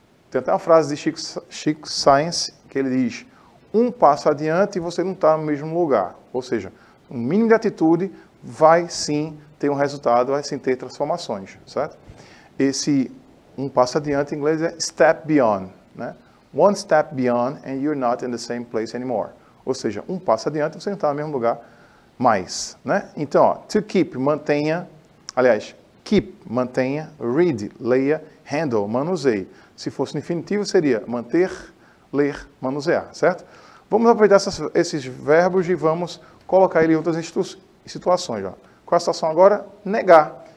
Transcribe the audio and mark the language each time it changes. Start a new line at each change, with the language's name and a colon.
Portuguese: Tem até uma frase de Chico Sainz que ele diz: um passo adiante e você não está no mesmo lugar. Ou seja, um mínimo de atitude vai sim ter um resultado, vai sim ter transformações, certo? Esse um passo adiante em inglês é
English: step beyond,
Portuguese: né?
English: One step beyond and you're not in the same place anymore.
Portuguese: Ou seja, um passo adiante e você não está no mesmo lugar mais, né? Então, ó, to keep, mantenha, aliás, keep, mantenha, read, leia, handle, manuseie. Se fosse no infinitivo, seria manter, ler, manusear, certo? Vamos aproveitar esses verbos e vamos colocar ele em outras situações. Ó. Qual é a situação agora? Negar.